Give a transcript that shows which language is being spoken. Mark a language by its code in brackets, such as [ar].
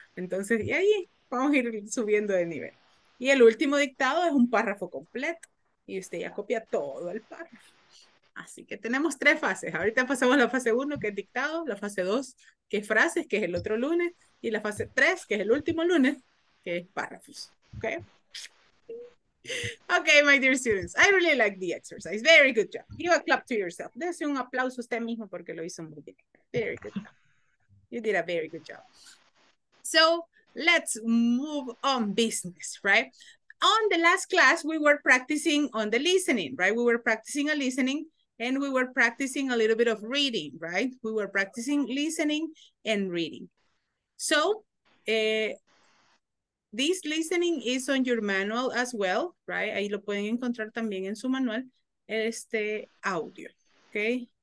[es] Entonces, y ahí vamos a ir subiendo de nivel. Y el último dictado es un párrafo completo. Y usted ya copia todo el párrafo. Así que tenemos 3 fases. Ahorita pasamos a la fase 1, que es dictado. La fase 2, que es frases, que es el otro lunes. Y la fase 3, que es el último lunes, que es párrafos. ¿Ok? [en] Okay, my dear students, I really like the exercise. Very good job. Give a clap to yourself. [es] Dese un aplauso a usted mismo porque lo hizo muy bien. [en] Very good job. You did a very good job. So, let's move on business, right? On the last class, we were practicing on the listening, right? We were practicing a listening and we were practicing a little bit of reading, right? We were practicing listening and reading. So, this listening is on your manual as well, right? [es] Ahí lo pueden encontrar también en su manual, este audio, okay?